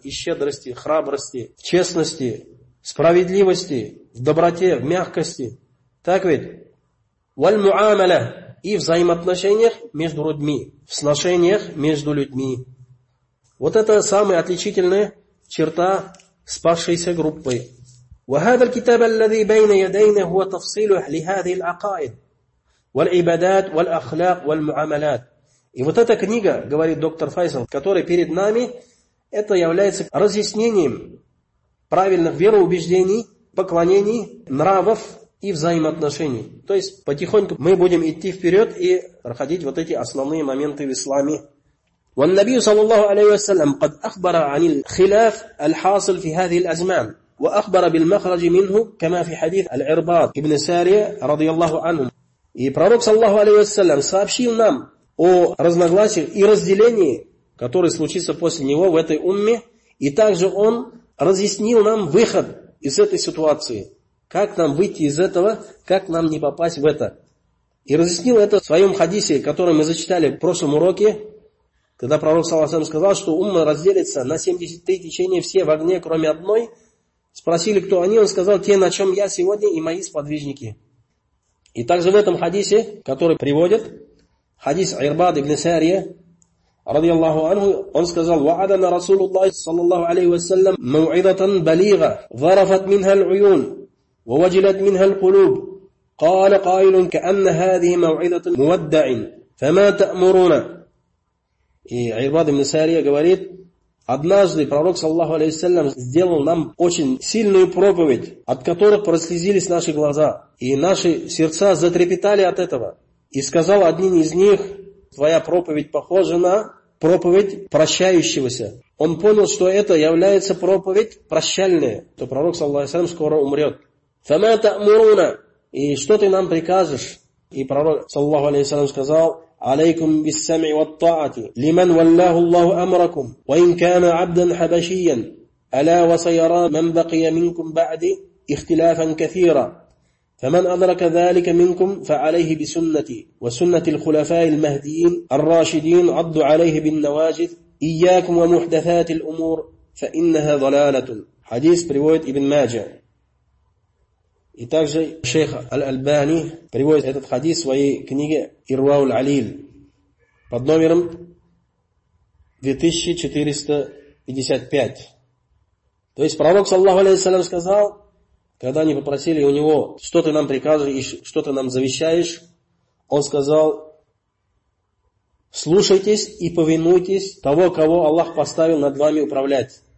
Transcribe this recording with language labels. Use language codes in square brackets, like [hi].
[ru] И щедрости, храбрости, честности, справедливости, в доброте, в мягкости. Так ведь? وَالْمُعَامَلَ. И взаимоотношениях между людьми. В сношениях между людьми. Вот это самая отличительная черта спасшейся группы. [ar] وهذا الكتاب الذي بين يدينا هو تفصيل لهذه العقائد والعبادات والأخلاق والمعاملات. [ru] И вот эта книга, говорит доктор Файсал, которая перед нами, это является разъяснением правильных вероубеждений, поклонений, нравов и взаимоотношений. То есть потихоньку мы будем идти вперед и проходить вот эти основные моменты в исламе. [ar] والنبي صلى الله عليه وسلم قد أخبر عن الخلاف الحاصل في هذه الأزمان. وأخبر بالمخرج منه كما في حديث العرباض ابن سارية رضي الله عنه. [ru] И пророк саллаллаху алейхи вассалям сообщил нам о разногласиях и разделении, которое случится после него в этой умме, и также он разъяснил нам выход из этой ситуации, как нам выйти из этого, как нам не попасть в это. И разъяснил это в своем хадисе, который мы зачитали в прошлом уроке, когда пророк саллаллаху алейхи вассалям сказал, что умма разделится на 73 течения все в огне, кроме одной. Спросили, кто они, он сказал, те, на чем я сегодня и мои сподвижники. И также в этом хадисе, который приводит, хадис Ирбад ибн Сария, ради Аллаху анху, он сказал, [ar] وَعَدَنَا رَسُولُ اللَّهِ صَلَى اللَّهُ عَلَيْهُ وَسَلَّمْ مَوْعِدَةً بَلِيغَ ظَرَفَتْ مِنْهَا الْعُيُونَ وَوَجِلَتْ مِنْهَا الْقُلُوبُ قَالَ قَائِلٌ كَأَنَّ هَذِهِ مَوْعِدَةٌ مُوَدَّعٍ فَمَا تَأْمُرُونَ. [ru] И Ирбад ибн Сария говорит, однажды пророк, саллаллаху алейхи вассалям, сделал нам очень сильную проповедь, от которой прослезились наши глаза, и наши сердца затрепетали от этого. И сказал один из них, твоя проповедь похожа на проповедь прощающегося. Он понял, что это является проповедь прощальная, то пророк, саллаллаху алейхи вассалям, скоро умрет. [ar] «Фама та'муруна?» [ru] «И что ты нам прикажешь?» И пророк, саллаллаху алейхи вассалям, сказал, [ar] عليكم بالسمع والطاعة لمن ولاه الله أمركم وإن كان عبدا حبشيا ألا وسيرى من بقي منكم بعد اختلافا كثيرا فمن أدرك ذلك منكم فعليه بسنتي وسنة الخلفاء المهديين الراشدين عضوا عليه بالنواجذ إياكم ومحدثات الأمور فإنها ضلالة. حديث رواية ابن ماجه. [ru] И также шейх Аль-Альбани приводит этот хадис в своей книге «Ирвау-Аль-Алил» под номером 2455. То есть пророк, саллаху алейхиссалям, сказал, когда они попросили у него, что ты нам приказываешь и что ты нам завещаешь, он сказал, слушайтесь и повинуйтесь того, кого Аллах поставил над вами управлять.